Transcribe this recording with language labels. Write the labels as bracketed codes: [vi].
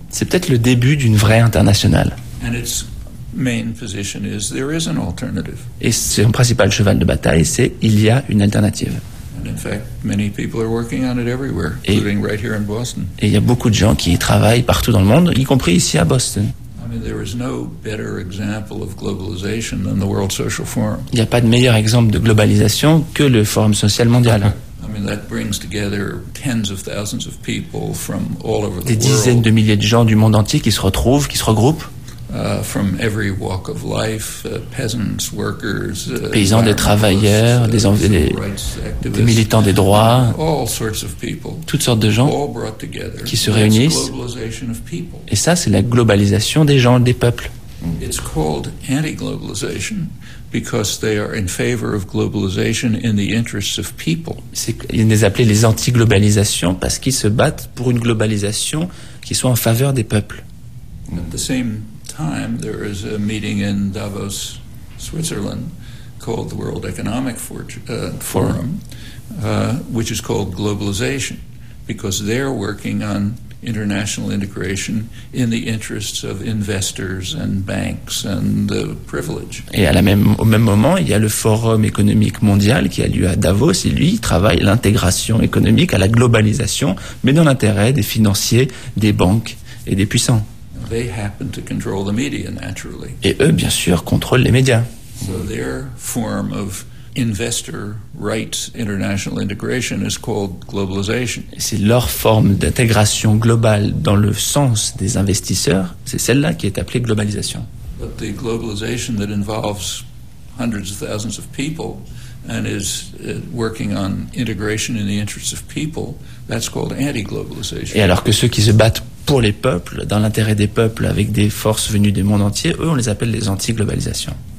[fr] C'est peut-être le début d'une vraie internationale. [en] And its main position is there is an alternative. [fr] Et son principal cheval de bataille, c'est il y a une alternative. [en] In fact, many people are working on it everywhere, including right here in Boston. [fr] Et il y a beaucoup de gens qui travaillent partout dans le monde, y compris ici à Boston. [en] I mean, there is no better example of globalization than the World Social Forum. [fr] Il n'y a pas de meilleur exemple de globalisation que le Forum social mondial. [en] I mean, that brings together tens of thousands of people from all over the world. [fr] Des dizaines de milliers de gens du monde entier qui se retrouvent, qui se regroupent. [en] From every walk of life, peasants, workers, [fr] paysans, des travailleurs, des militants des droits, [en] all sorts of people, [fr] toutes sortes de gens [en] all brought together, [fr] qui se réunissent. [en] Globalization of people. [fr] Et ça, c'est la globalisation des gens, des peuples. [en] It's called anti-globalization because they are in favor of globalization in the interests of people. [fr] Ils les appellent les anti-globalisations parce qu'ils se battent pour une globalisation qui soit en faveur des peuples. [en] At the same time, there is a meeting in Davos, Switzerland, called the World Economic Forum, which is called Globalization, because they're working on international integration in the interests of investors and banks and the privilege. [fr] Et à la même, au même moment, il y a le Forum économique mondial qui a lieu à Davos et lui, il travaille l'intégration économique à la globalisation, mais dans l'intérêt des financiers, des banques et des puissants. [en] They happen to control the media, naturally. [fr] Et eux, bien sûr, contrôlent les médias. [en] So their form of investor rights international integration is called globalization. [fr] C'est leur forme d'intégration globale dans le sens des investisseurs, c'est celle-là qui est appelée globalisation. [en] But the globalization that involves hundreds of thousands of people and is working on integration in the interests of people, that's called anti-globalization. [fr] Et alors que ceux qui se battent pour les peuples, dans l'intérêt des peuples avec des forces venues du monde entier, eux on les appelle les anti-globalisations.